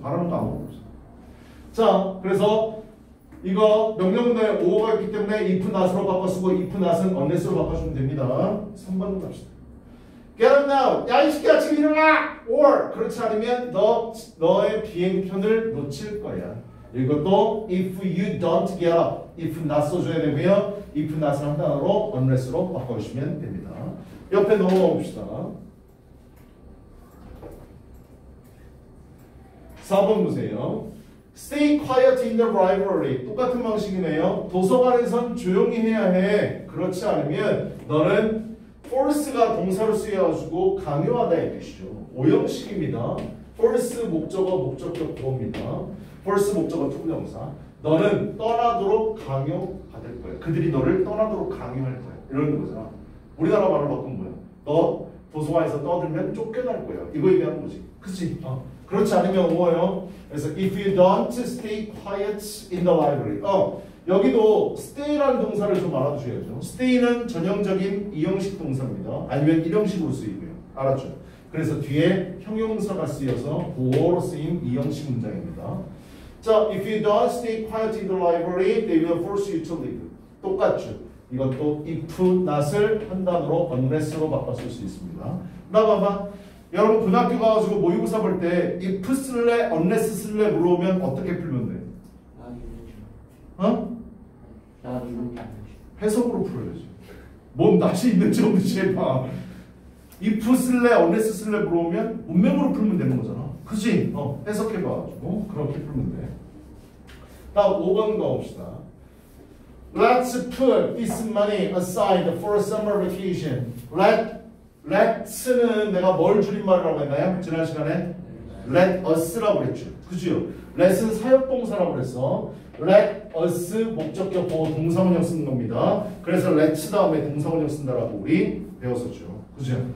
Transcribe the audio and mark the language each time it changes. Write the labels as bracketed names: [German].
[Korean] 바라는 거 아무것도 없어. 자, 그래서 이거 명령문에 오어가 있기 때문에 if not으로 바꿔쓰고 if not은 unless으로 바꿔주면 됩니다. 3번으로 갑시다. [English] Get up now! [Korean] 야 이 새끼야 지금 일어나! Or 그렇지 않으면 너의 비행편을 놓칠 거야. 이것도 [English] if you don't get up, if not [Korean] 써줘야 되고요. if not은 한 단어로 unless으로 바꿔주시면 됩니다. 옆에 넘어가 봅시다. 4번 보세요. [English] Stay quiet in the library. [Korean] 똑같은 방식이네요. 도서관에선 조용히 해야 해. 그렇지 않으면 너는 force가 동사로 쓰여가지고 강요하다의 뜻이죠. 오형식입니다. force 목적어 목적격 부호입니다. force 목적어 투부정사. 너는 떠나도록 강요받을 거야. 그들이 너를 떠나도록 강요할 거야. 이런 거잖아. 우리나라 말로 바꾸면 뭐야? 너 도서관에서 떠들면 쫓겨날 거야. 이거 얘기하는 거지. 그치? 어. 그렇지 않으면 뭐예요? 그래서 [English] if you don't stay quiet in the library. [Korean] 여기도 stay라는 동사를 좀 알아주셔야죠. stay는 전형적인 이형식 동사입니다. 아니면 일형식으로 쓰이고요. 알았죠? 그래서 뒤에 형용사가 쓰여서 보어로 쓰인 이형식 문장입니다. [English] 자, if you don't stay quiet in the library, they will force you to leave. [Korean] 똑같죠? 이것도 if not을 한 단어로 unless로 바꿔 쓸 수 있습니다. 나봐봐. 여러분 고등학교 가가지고 모의고사 볼 때 if 쓸래, unless 쓸래 물어보면 어떻게 풀면 돼? 나중에 어? 나중에 해석으로 풀어야지. 뭔 낯이 있는지 없는지 해봐. if 쓸래, unless 쓸래 물어보면 문맥으로 풀면 되는 거잖아. 그지? 어, 해석해봐가지고 그렇게 풀면 돼. 나 5번 가봅시다. [English] Let's put this money aside for summer vacation. [Korean] Let's는 내가 뭘 줄임말이라고 했나요? 지난 시간에? Let us라고 그랬죠. 그죠? Let's는 사역동사라고 그랬어. Let us 목적격 보호 동사원형 쓰는 겁니다. 그래서 let's 다음에 동사원형 쓴다라고 우리 배웠었죠. 그죠?